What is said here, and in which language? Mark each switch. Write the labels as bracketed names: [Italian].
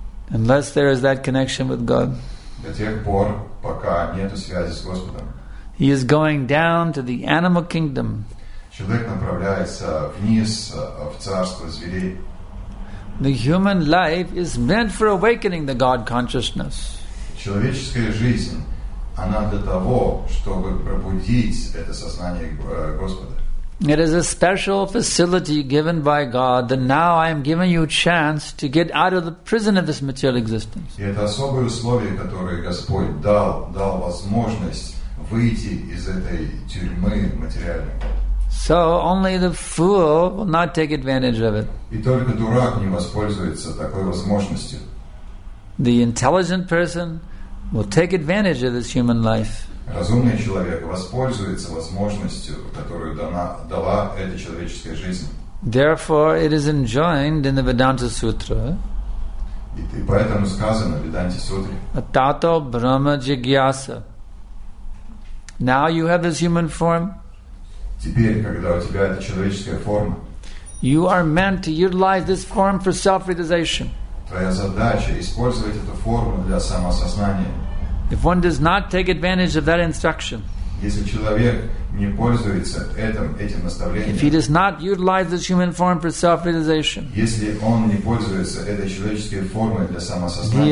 [English] Unless there is that connection with God. [Russian] До тех пор, пока нет связи с Господом. [English] He is going down to the animal kingdom. [Russian] Человек направляется вниз в царство зверей. [English] The human life is meant for awakening the God consciousness. [Russian] Человеческая жизнь, она для того, чтобы пробудить это сознание Господа. [English] It is a special facility given by God that now I am giving you a chance to get out of the prison of this material existence. [Russian] И это особое условие, которое Господь дал возможность выйти из этой тюрьмы материальной. [English] So only the fool will not take advantage of it. [Russian] И только дурак не воспользуется такой возможностью. [English] The intelligent person will take advantage of this human life. [Russian] Разумный человек воспользуется возможностью, которую дала эта человеческая жизнь. [English] Therefore, it is enjoined in the Vedanta Sutra. [Russian] И поэтому сказано в Веданте Сутре. [Sanskrit] Атато брахма джигьяса. [English] Now you have this human form. [Russian] Теперь, когда у тебя эта человеческая форма. [English] You are meant to utilize this form for self-realization. [Russian] Твоя задача использовать эту форму для самосознания. [English] If one does not take advantage of that instruction, [Russian] если человек не пользуется этим наставлением, [English] if he does not utilize this human form for self-realization, [Russian] если он не пользуется этой человеческой формой для самосознания,